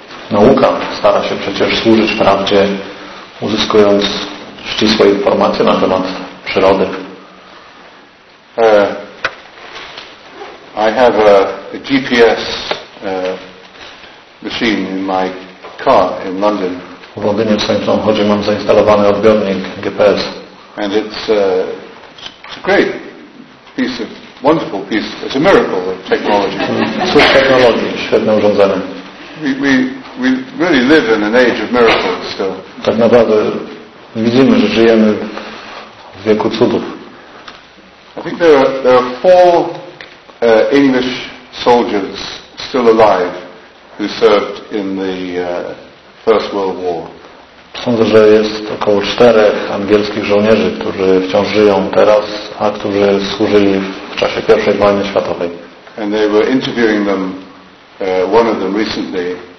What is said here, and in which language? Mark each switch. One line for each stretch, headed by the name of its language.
Polish: Nauka stara się przecież służyć prawdzie, uzyskując ścisłe informacje na temat przyrody.
English: I have a GPS machine in my car in London.
Polish: W Londynie w swoim samochodzie mam zainstalowany odbiornik GPS.
English: And it's a great piece of wonderful piece. It's a miracle of technology.
Polish: Cud technologii, świetne urządzenie.
English: We we really live in an age of miracles still.
Polish: Tak naprawdę widzimy, że żyjemy w wieku cudów.
English: I think there are four English soldiers still alive who served in the First World War.
Polish: Sądzę, że jest około czterech angielskich żołnierzy, którzy wciąż żyją teraz, a którzy służyli w czasie pierwszej wojny światowej.
English: And they were interviewing them, one of them recently.